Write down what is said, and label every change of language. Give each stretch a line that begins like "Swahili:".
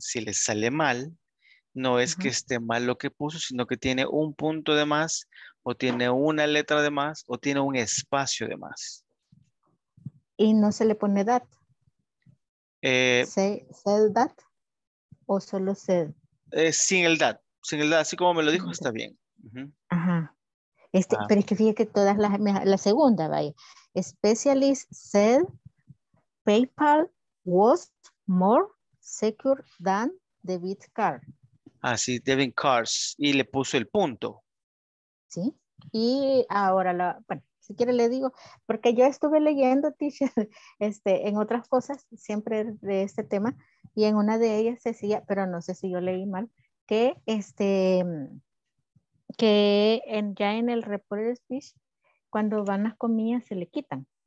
Spanish: Si le sale mal, no es que esté mal lo que puso, sino que tiene un punto de más, o tiene una letra de más, o tiene un espacio de más. ¿Y no se le pone that? ¿Sell that? ¿O solo sell? Sin el that. Sin el that, así como me lo dijo, está bien. Ajá. Este, pero es que fíjate que todas las, la segunda, vaya.
English: Specialist said PayPal was more secure than debit card.
Spanish: Ah, sí, debit cards. Y le puso el punto. Sí. Y ahora, bueno, si quiere le digo, porque yo estuve leyendo, teacher, este, en otras cosas, siempre de este tema, y en una de ellas decía, pero no sé si yo leí mal, que este, que en, ya en el report speech, cuando van las comillas se le quitan.